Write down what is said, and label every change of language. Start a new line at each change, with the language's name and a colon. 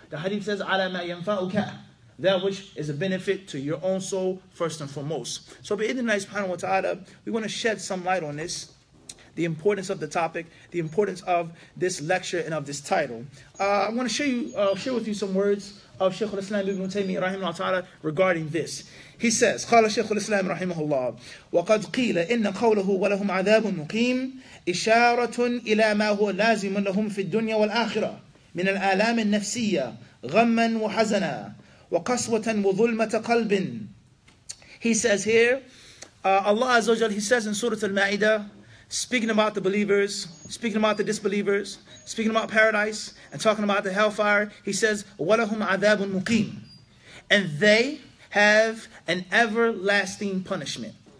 English: The hadith says,
Arabic: عَلَى مَا يَنْفَعُكَ,
English: that which is a benefit to your own soul, first and foremost. So, bi-idhnillahi subhanahu wa ta'ala, we want to shed some light on this, the importance of the topic, the importance of this lecture and of this title. I want to share with you some words of Shaykh al-Islam ibn Taymiyyah rahimahullah ta'ala regarding this. He says,
Arabic: قال شيخ الإسلام رحمه الله وقد قيل إن قوله ولهم عذاب مقيم إشارة إلى ما هو لازم لهم في الدنيا والآخرة من الآلام النفسية غما وحزنا وقسوة وظلمة قلب.
English: He says here, Allah Azza wa Jal, he says in Surah Al-Ma'idah, speaking about the believers, speaking about the disbelievers, speaking about paradise, and talking about the hellfire, he says,
Arabic: وَلَهُمْ عَذَابٌ مُقِيمٌ,
English: and they have an everlasting punishment.